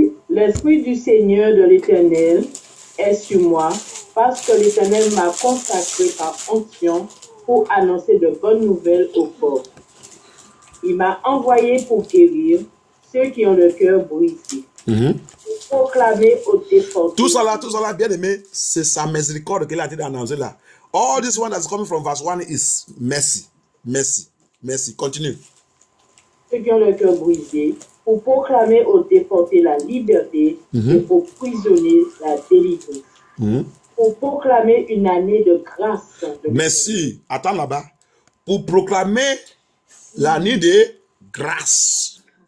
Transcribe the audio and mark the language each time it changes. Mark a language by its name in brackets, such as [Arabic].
[French] L'esprit du Seigneur de l'Éternel est sur moi, parce que l'Éternel m'a consacré par onction pour annoncer de bonnes nouvelles aux pauvres. Il m'a envoyé pour guérir ceux qui ont le cœur brisé. Mm-hmm. Pour proclamer aux défauts. Tout cela, bien aimé, c'est sa miséricorde qu'il a été annoncé là. [English] All this one that's coming from verse 1 is mercy. Continue. [French] Ceux qui ont le cœur brisé, pour proclamer aux déportés la liberté, mm-hmm. et aux prisonniers la délivrance. Mm-hmm. Pour proclamer une année de grâce. Merci. Attends là-bas. Pour proclamer l'année de grâce.